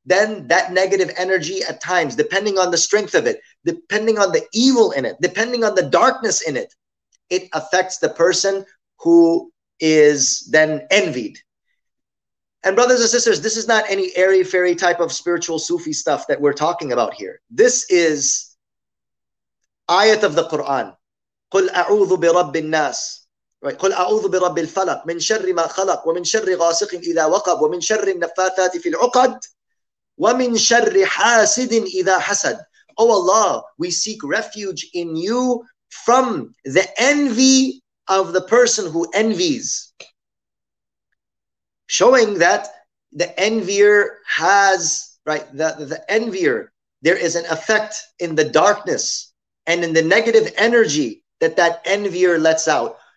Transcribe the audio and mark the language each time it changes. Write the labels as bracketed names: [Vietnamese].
[English] Then that negative energy at times, depending on the strength of it, depending on the evil in it, depending on the darkness in it, it affects the person who is then envied. And brothers and sisters, this is not any airy-fairy type of spiritual Sufi stuff that we're talking about here. This is ayat of the Quran, [Arabic] قل أعوذ برب الناس, [English] right? [Arabic] قل أعوذ برب الفلق من شر ما خلق ومن شر غاسق إذا وقب ومن شر النفاثات في العقد ومن شر حاسد إذا حسد. [English] Oh Allah, we seek refuge in you from the envy of the person who envies. Showing that the envier has, right, the envier, there is an effect in the darkness and in the negative energy that that envier lets out.